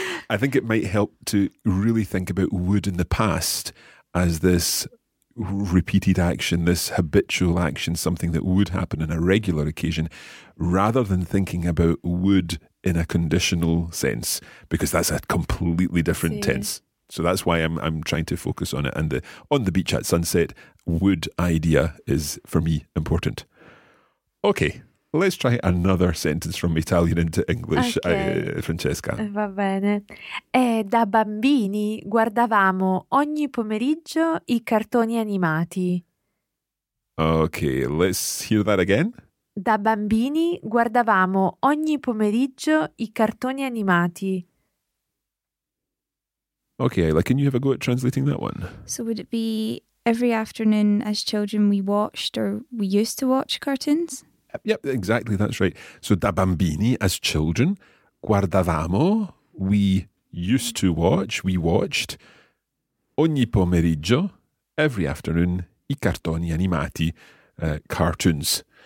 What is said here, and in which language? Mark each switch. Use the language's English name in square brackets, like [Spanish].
[English] I think it might help to really think about wood in the past as this repeated action, this habitual action, something that would happen on a regular occasion, rather than thinking about wood in a conditional sense, because that's a completely different tense. So that's why I'm trying to focus on it. And the on the beach at sunset wood idea is, for me, important. Okay, let's try another sentence from Italian into English, okay. Francesca. [Italian] Va bene. Da bambini guardavamo ogni pomeriggio i cartoni animati. [English] Okay, let's hear that again. [Italian] Da bambini guardavamo ogni pomeriggio i cartoni animati. [English] Okay, Ayla, can you have a go at translating that one? So would it be every afternoon as children we watched or we used to watch cartoons? Yep, exactly, that's right. So [Italian] da bambini, [English] as children, [Italian] guardavamo, [English] we used to watch, we watched [Italian] ogni pomeriggio, [English] every afternoon, [Italian] i cartoni animati, [English] cartoons.